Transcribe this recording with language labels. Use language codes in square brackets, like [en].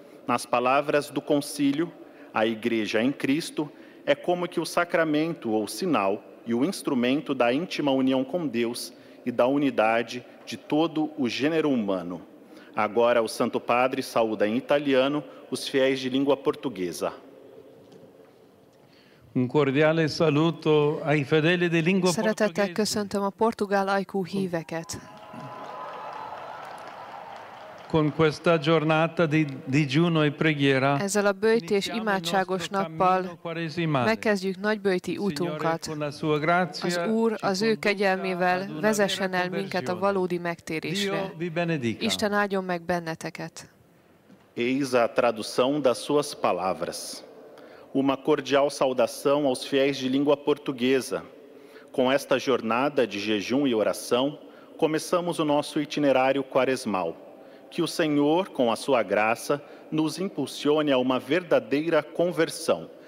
[pt] Nas palavras do Concílio, a Igreja em Cristo é como que o sacramento ou sinal e o instrumento da íntima união com Deus e da unidade de todo o gênero humano. Agora o Santo Padre saúda em italiano os fiéis de língua portuguesa. [it] Un cordiale saluto ai fedeli di lingua portoghese. [hu] Szeretettel köszöntöm a portugál ajkú híveket. [it] Con questa giornata di digiuno e preghiera, [hu] ezzel a bőti és imádságos nappal megkezdjük nagybőti útunkat. Az Úr az ő kegyelmével vezessen el minket a valódi megtérésre. Isten áldjon meg benneteket. [pt] Eis a tradução das suas palavras. Uma cordial saudação aos fiéis de língua portuguesa. Com esta jornada de jejum e oração, começamos o nosso itinerário quaresmal. Que o Senhor, com a sua graça, nos impulsione a uma verdadeira conversão.